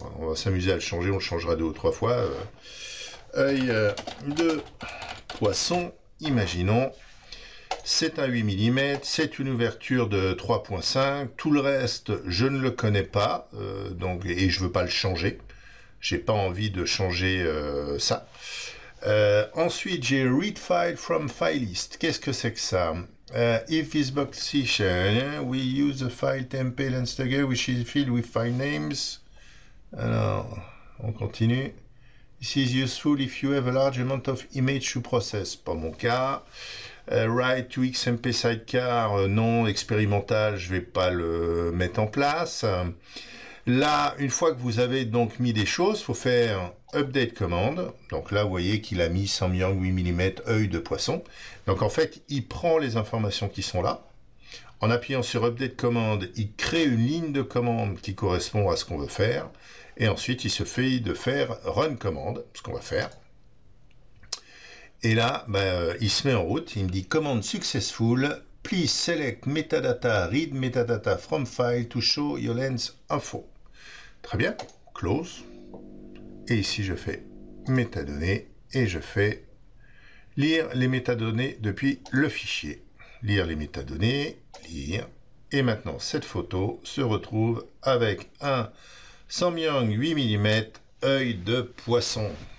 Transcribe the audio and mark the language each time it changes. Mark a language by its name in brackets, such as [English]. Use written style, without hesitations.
[French] On va s'amuser à le changer, on le changera deux ou trois fois. Œil de poisson. Imaginons, c'est un 8 mm, c'est une ouverture de 3,5. Tout le reste, je ne le connais pas, donc, et je ne veux pas le changer. J'ai pas envie de changer ça. Ensuite, j'ai [English] Read File from File List. [French] Qu'est-ce que c'est que ça? [English] If this box is we use the file tempé lens tagger, which is filled with file names. [French] Alors, on continue. [English] This is useful if you have a large amount of image to process. [French] Pas mon cas. [English] Write to XMP sidecar. [French] Non, expérimental, je ne vais pas le mettre en place. Là, une fois que vous avez donc mis des choses, il faut faire update commande. Donc là, vous voyez qu'il a mis 100 mm, 8 mm, œil de poisson. Donc en fait, il prend les informations qui sont là. En appuyant sur update commande, il crée une ligne de commande qui correspond à ce qu'on veut faire. Et ensuite, il se fait de faire run commande, ce qu'on va faire. Et là, ben, il se met en route. Il me dit commande successful. [English] Please select metadata, read metadata from file to show your lens info. [French] Très bien. Close. Et ici, je fais métadonnées et je fais lire les métadonnées depuis le fichier. Lire les métadonnées. Lire. Et maintenant, cette photo se retrouve avec un 100 mm 8 mm œil de poisson.